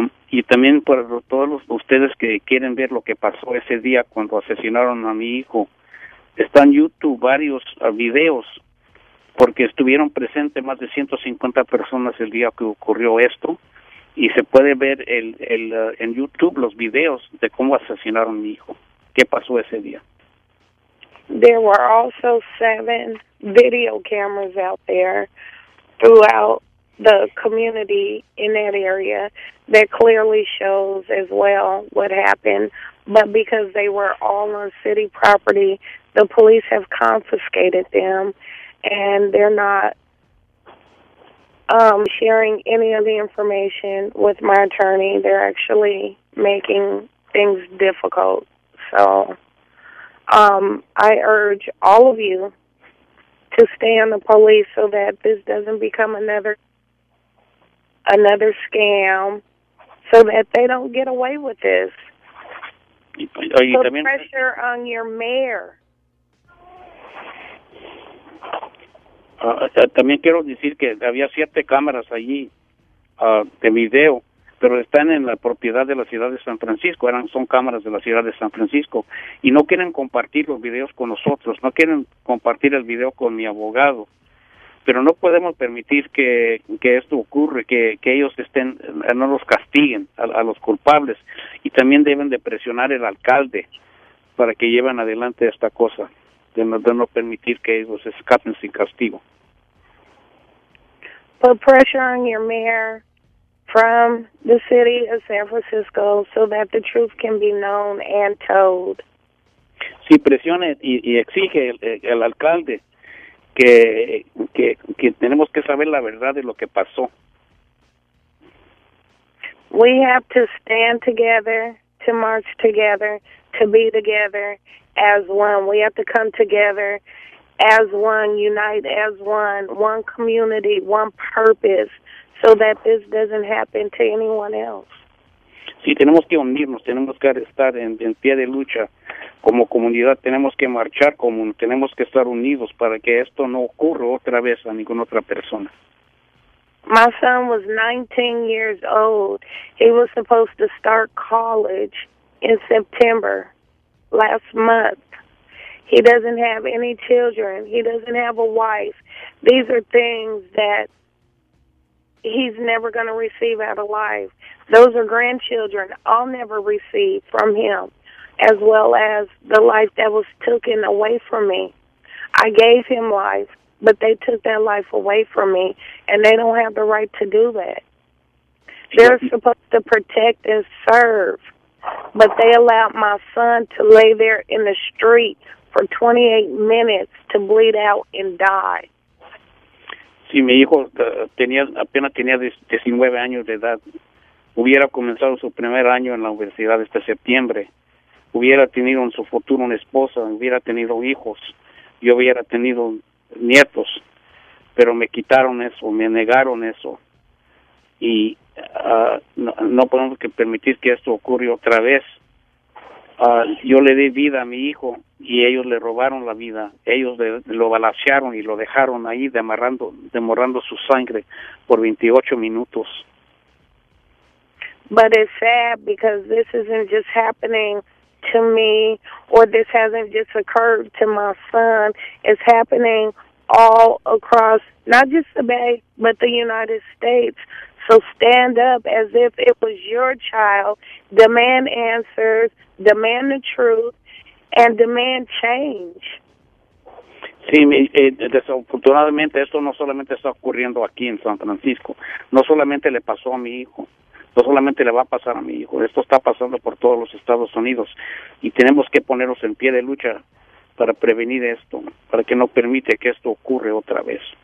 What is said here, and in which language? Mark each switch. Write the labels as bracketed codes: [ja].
[es] Y también por todos ustedes que quieren ver lo que pasó ese día cuando asesinaron a mi hijo. Están en YouTube varios videos porque estuvieron presentes más de 150 personas el día que ocurrió esto. Y se puede ver en YouTube los videos de cómo asesinaron a mi hijo. ¿Qué pasó ese día? [en] There were also 7 video cameras out there throughout the community in that area that clearly shows as well what happened. But because they were all on city property, the police have confiscated them and they're not sharing any of the information with my attorney. They're actually making things difficult. So I urge all of you to stay on the police so that this doesn't become another scam, so that they don't get away with this. Put pressure on your mayor. [es] También quiero decir que había 7 cámaras allí, de video, pero están en la propiedad de la ciudad de San Francisco, son cámaras de la ciudad de San Francisco, y no quieren compartir los videos con nosotros, no quieren compartir el video con mi abogado. Pero no podemos permitir que esto ocurra, que ellos estén, no los castiguen a los culpables, y también deben de presionar al alcalde para que lleven adelante esta cosa, de no permitir que ellos escapen sin castigo. [en] Put pressure on your mayor from the city of San Francisco so that the truth can be known and told. [es] Sí, presione y exige el alcalde que tenemos que saber la verdad de lo que pasó. [en] We have to stand together, to march together, to be together as one. We have to come together as one, unite as one, one community, one purpose, so that this doesn't happen to anyone else. [es] Sí, tenemos que unirnos, tenemos que estar en pie de lucha como comunidad, tenemos que marchar como, tenemos que estar unidos para que esto no ocurra otra vez a ninguna otra persona. [en] My son was 19 years old. He was supposed to start college in September, last month. He doesn't have any children. He doesn't have a wife. These are things that he's never going to receive out of life. Those are grandchildren I'll never receive from him, as well as the life that was taken away from me. I gave him life, but they took that life away from me, and they don't have the right to do that. They're supposed to protect and serve, but they allowed my son to lay there in the street for 28 minutes to bleed out and die. [es] Si mi hijo apenas tenía 19 años de edad, hubiera comenzado su primer año en la universidad este septiembre, hubiera tenido en su futuro una esposa, hubiera tenido hijos, yo hubiera tenido nietos, pero me quitaron eso, me negaron eso. Y no podemos permitir que esto ocurra otra vez. Yo le di vida a mi hijo y ellos le robaron la vida. Ellos lo balacearon y lo dejaron ahí demorando su sangre por 28 minutos. [en] But it's sad because this isn't just happening to me, or this hasn't just occurred to my son. It's happening all across, not just the Bay, but the United States. So stand up as if it was your child, demand answers, demand the truth, and demand change. [es] Sí, desafortunadamente esto no solamente está ocurriendo aquí en San Francisco, no solamente le pasó a mi hijo, no solamente le va a pasar a mi hijo, esto está pasando por todos los Estados Unidos, y tenemos que ponernos en pie de lucha para prevenir esto, para que no permita que esto ocurra otra vez.